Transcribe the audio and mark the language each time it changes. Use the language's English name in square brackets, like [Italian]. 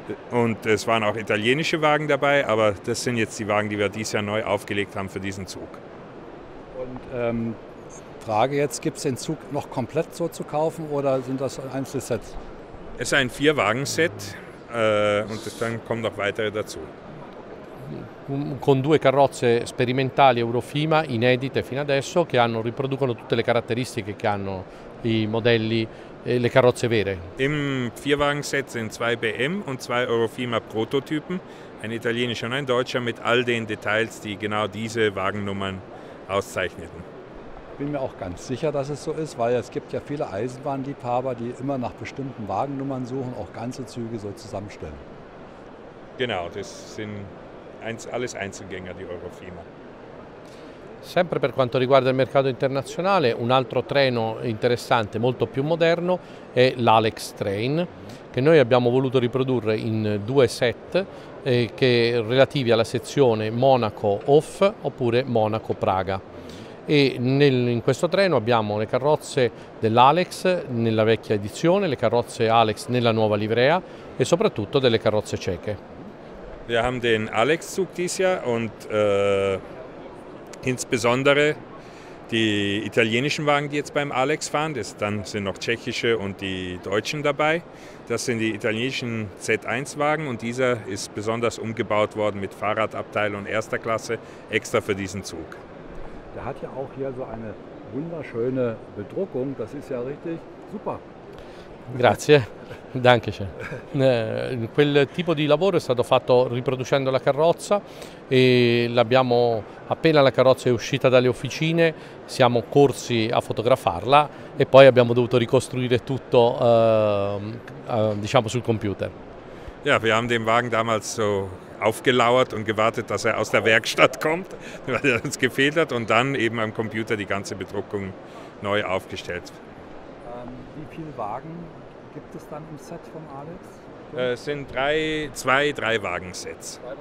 [German] Und es waren auch italienische Wagen dabei, aber das sind jetzt die Wagen, die wir dieses Jahr neu aufgelegt haben für diesen Zug. Und Frage jetzt, gibt es den Zug noch komplett so zu kaufen oder sind das Einzelsets? Es ist ein Vier-Wagen-Set und dann kommen noch weitere dazu. [Italian] Con due carrozze sperimentali Eurofima inedite fino adesso che riproducono tutte le caratteristiche che hanno i modelli e le carrozze vere. [German] Im Vierwagen-Set sind zwei BM und zwei Eurofima-Prototypen, ein italienischer und ein deutscher, mit all den Details, die genau diese Wagennummern auszeichneten. Ich bin mir auch ganz sicher, dass es so ist, weil es gibt ja viele Eisenbahnliebhaber, die immer nach bestimmten Wagennummern suchen, auch ganze Züge so zusammenstellen. Genau, das sind alles Einzelgänger di Eurofima. [Italian] Sempre per quanto riguarda il mercato internazionale, un altro treno interessante, molto più moderno, è l'Alex Train, che noi abbiamo voluto riprodurre in due set che relativi alla sezione Monaco-Off oppure Monaco-Praga. E in questo treno abbiamo le carrozze dell'Alex nella vecchia edizione, le carrozze Alex nella nuova livrea e soprattutto delle carrozze ceche. [German] Wir haben den Alex-Zug dieses Jahr und insbesondere die italienischen Wagen, die jetzt beim Alex fahren, dann sind noch tschechische und die deutschen dabei. Das sind die italienischen Z1-Wagen und dieser ist besonders umgebaut worden mit Fahrradabteil und erster Klasse extra für diesen Zug. Der hat ja auch hier so eine wunderschöne Bedruckung, das ist ja richtig super. [Italian] Grazie, [German] danke schön. [Italian] Quel tipo di lavoro è stato fatto riproducendo la carrozza e l'abbiamo appena la carrozza è uscita dalle officine siamo corsi a fotografarla e poi abbiamo dovuto ricostruire tutto diciamo sul computer. [German] Ja, wir haben den Wagen damals so aufgelauert und gewartet, dass er aus der Werkstatt kommt, weil er uns gefehlt hat und dann eben am Computer die ganze Bedruckung neu aufgestellt. Wie viele Wagen gibt es dann im Set vom Alex? Es sind zwei Wagensets.